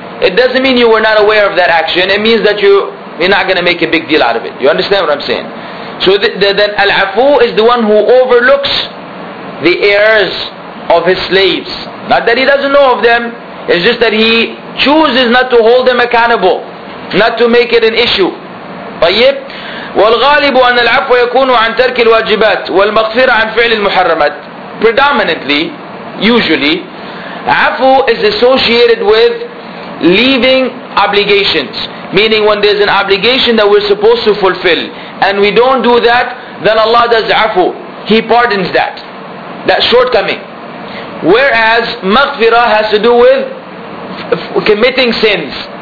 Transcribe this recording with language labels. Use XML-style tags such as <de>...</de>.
<en>It doesn't mean you were not aware of that action. It means that you're not going to make a big deal out of it. You understand what I'm saying? So then Al-Afu is the one who overlooks the errors of his slaves. Not that he doesn't know of them. It's just that he chooses not to hold them accountable. Not to make it an issue. طيب.</en> <ar>والغالب أن العفو يكون عن ترك الواجبات والمغفرة عن فعل المحرمات.</ar> <en>Predominantly, usually, عفو is associated with leaving obligations. Meaning when there's an obligation that we're supposed to fulfill and we don't do that, then Allah does عفو. He pardons that shortcoming. Whereas maghfirah has to do with committing sins.</en>